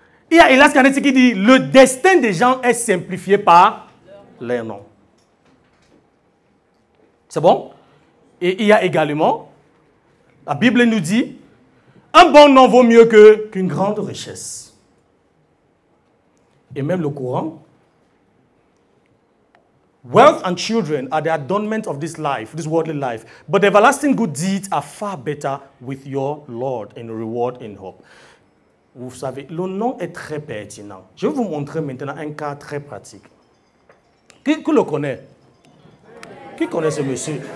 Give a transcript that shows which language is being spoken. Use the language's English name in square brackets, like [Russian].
[French] Il y a Elias Canetti qui dit, le destin des gens est simplifié par leur nom. C'est bon? Et il y a également, la Bible nous dit, un bon nom vaut mieux qu'une grande richesse. Et même le Coran, [English] wealth and children are the adornment of this life, this worldly life, but everlasting good deeds are far better with your Lord in reward and hope. [French] Vous savez, le nom est très pertinent. Je vais vous montrer maintenant un cas très pratique. Qui le connaît? Qui connaît ce monsieur?